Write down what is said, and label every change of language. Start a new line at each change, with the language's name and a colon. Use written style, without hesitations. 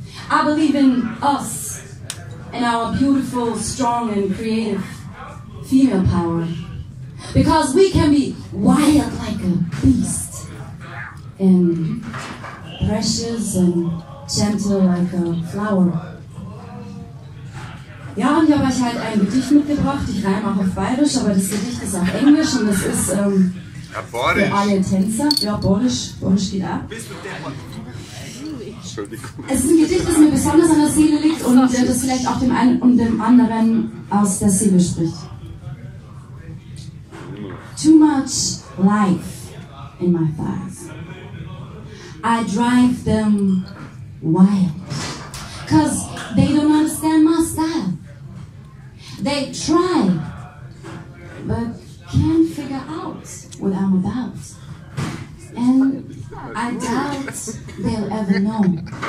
English: I believe in us and our beautiful, strong, and creative female power because we can be wired like a beast and precious and gentle like a flower.
German: Ja, und hier habe ich halt ein Gedicht mitgebracht. Ich reime auch auf Bayerisch, aber das Gedicht ist auf Englisch und das ist. Ja, Borisch. Für alle Tänzer. Ja, Borisch. Borisch geht ab. Entschuldigung. Es ist ein Gedicht, das mir besonders an der Seele liegt und das vielleicht auch dem einen und dem anderen aus der Seele spricht.
English: Too much life in my thighs. I drive them wild. Cause they don't understand my style. They try, but can't figure out what I'm about, and I doubt they'll ever know.